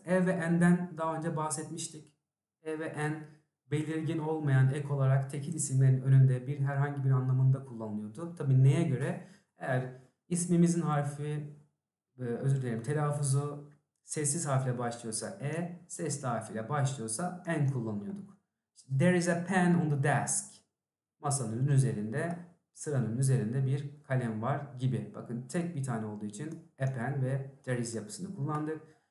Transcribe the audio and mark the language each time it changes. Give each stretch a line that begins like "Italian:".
Turkish: E ve and'den daha önce bahsetmiştik. E ve and belirgin olmayan ek olarak tekil isimlerin önünde bir herhangi bir anlamında kullanılıyordu. Tabii neye göre? Eğer ismimizin harfi, özür dilerim, telaffuzu sessiz harfle başlıyorsa E, sesli harfle başlıyorsa N kullanıyorduk.
English: İşte, there is a pen on the desk.
Turkish: Masanın üzerinde, sıranın üzerinde bir kalem var gibi. Bakın tek bir tane olduğu için a pen ve there is yapısını kullandık.